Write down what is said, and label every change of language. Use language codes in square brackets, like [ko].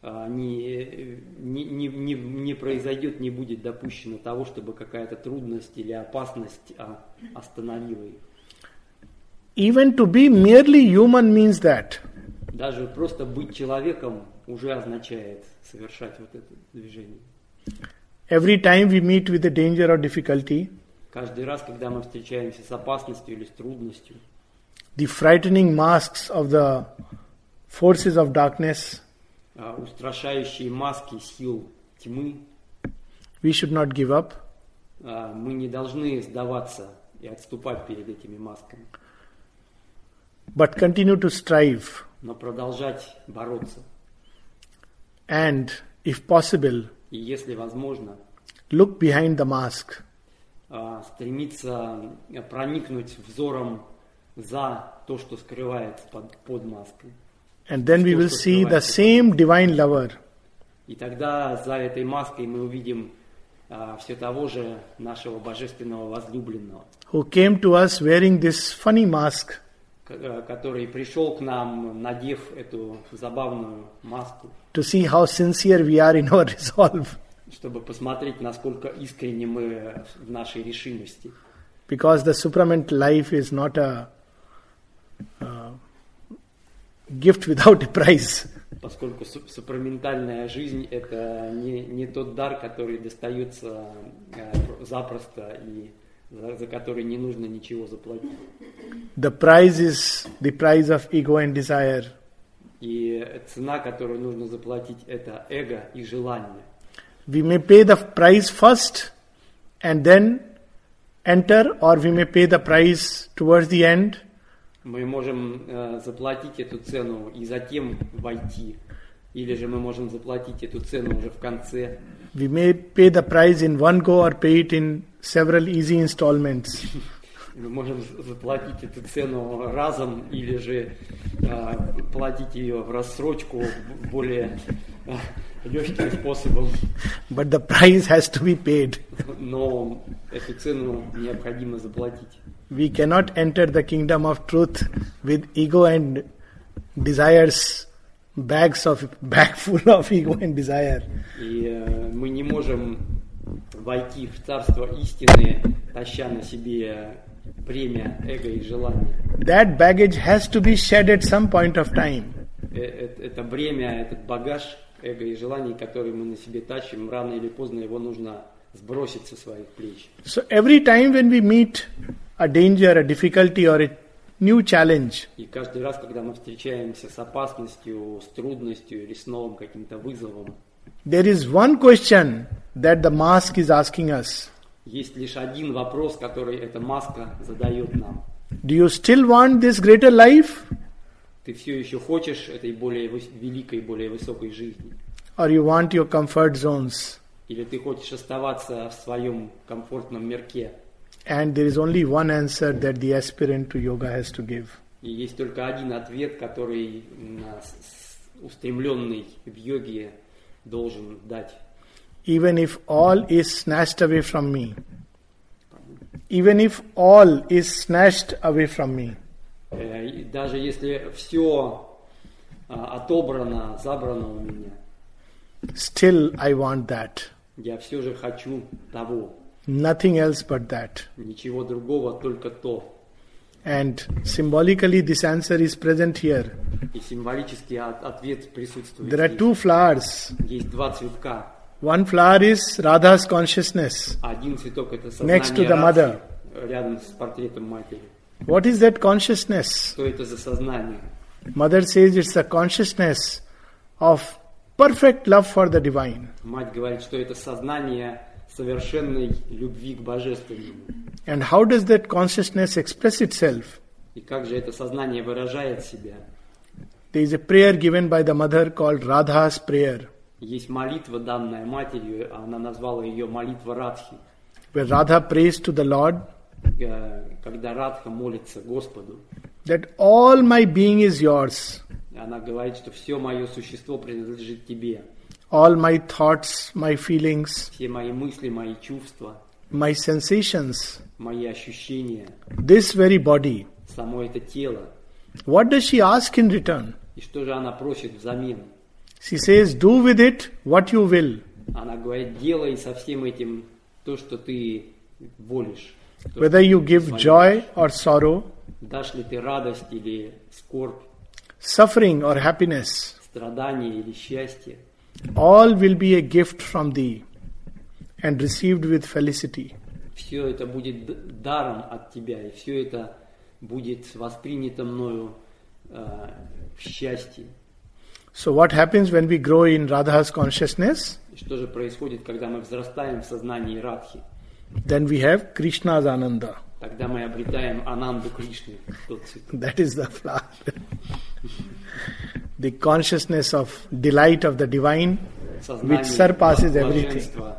[ru] Не произойдет, не будет допущено того, чтобы какая-то трудность или опасность остановила их. [en] Even to be merely human means that. [ru] Даже просто быть человеком уже означает совершать вот это движение. [en] Every time we meet with a danger or difficulty, [ru] каждый раз, когда мы встречаемся с опасностью или с трудностью, [en] the frightening masks of the forces of darkness, [ru] устрашающие маски сил тьмы, [en] we should not give up. [ru] Мы не должны сдаваться и отступать перед этими масками. [en] But continue to strive. [ru] Но продолжать бороться. [en] And, if possible, [ru] и если возможно, [en] look behind the mask. [ru] Стремиться проникнуть взором за то, что скрывается под маской. [en] And then we will see the same divine lover. [ru] И тогда за этой маской мы увидим все того же нашего божественного возлюбленного. [en] Who came to us wearing this funny mask. [ru] Который пришел к нам, надев эту забавную маску. [en] To see how sincere we are in our resolve. [ru] Чтобы посмотреть, насколько искренне мы в нашей решимости. [en] Because the supramental life is not a gift without a price. [ru] Поскольку супраментальная жизнь это не тот дар, который достается запросто и за который не нужно ничего заплатить. [en] The price is the price of ego and desire. [ru] И цена, которую нужно заплатить, это эго и желание. [en] We may pay the price first and then enter, or we may pay the price towards the end. [ru] Мы можем заплатить эту цену и затем войти. Или же мы можем заплатить эту цену уже в конце. [en] We may pay the price in one go or pay it in several easy installments. [ru] Мы можем заплатить эту цену разом или же платить ее в рассрочку более легким способом. [en] But the price has to be paid. [ru] Но эту цену необходимо заплатить. [en] We cannot enter the kingdom of truth with ego and desires, bag full of ego and desire. [ru] И мы не можем войти в царство истины, таща на себе бремя эго и желания. [en] That baggage has to be shed at some point of time. [ru] Это бремя, этот багаж эго и желаний, который мы на себе тащим, рано или поздно его нужно сбросить со своих плеч. [en] So every time when we meet a danger, a difficulty, or a new challenge. [ru] И каждый раз, когда мы встречаемся с опасностью, с трудностью или с новым каким-то вызовом, [en] there is one question that the mask is asking us. [ru] Есть лишь один вопрос, который эта маска задает нам. [en] Do you still want this greater life? [ru] Ты все еще хочешь этой более великой, более высокой жизни? [en] Or you want your comfort zones? [ru] Или ты хочешь оставаться в своем комфортном мирке? [en] And there is only one answer that the aspirant to yoga has to give. [ru] И есть только один ответ, который устремленный в йоге должен дать. [en] Even if all is snatched away from me, even if all is snatched away from me. [ru] Даже если все отобрано, забрано у меня. [en] Still I want that. [ru] Я все же хочу того. [en] Nothing else but that. [ru] Ничего другого, только то. [en] And symbolically this answer is present here. [ru] И символически ответ присутствует. [en] There are two flowers. [ru] Есть два цветка. [en] One flower is Radha's consciousness. [ru] Один цветок это сознание. [en] Next to the mother. [ru] Рядом с портретом матери. [en] What is that consciousness? [ru] Что это за сознание? [en] Mother says it's the consciousness of perfect love for the divine. [ru] Мать говорит, что это сознание совершенной любви к божественному. [en] And how does that consciousness express itself? [ru] И как же это сознание выражает себя? [en] There is a prayer given by the mother called Radha's prayer. [ru] Есть молитва, данная матерью, она назвала ее молитва Радхи. [en] Where Radha prays to the Lord. [ru] Когда Радха молится Господу. [en] That all my being is yours. [ru] Она говорит, что все мое существо принадлежит тебе. [en] All my thoughts, my feelings. [ru] Все мои мысли, мои чувства. [en] My sensations. [ru] Мои ощущения. [en] This very body. [ru] Само это тело. [en] What does she ask in return? [ru] И что же она просит взамен? [en] She says, do with it what you will. [ru] Она говорит, делай со всем этим то, что ты волишь. [en] Whether you give joy or sorrow, [ru] дашь ли ты радость или скорбь, [en] suffering or happiness, [ru] страдание или счастье, [en] all will be a gift from thee and received with felicity. [ru] Все это будет даром от тебя, и все это будет воспринято мною в счастье. [en] So what happens when we grow in Radha's consciousness? [ru] Что же происходит, когда мы взрастаем в сознании Радхи? [en] Then we have Krishna's Ananda. [ru] Тогда мы обретаем Ананду Кришны. [en] That is the flower. The consciousness of delight of the divine, [ru] сознание [en] which surpasses everything.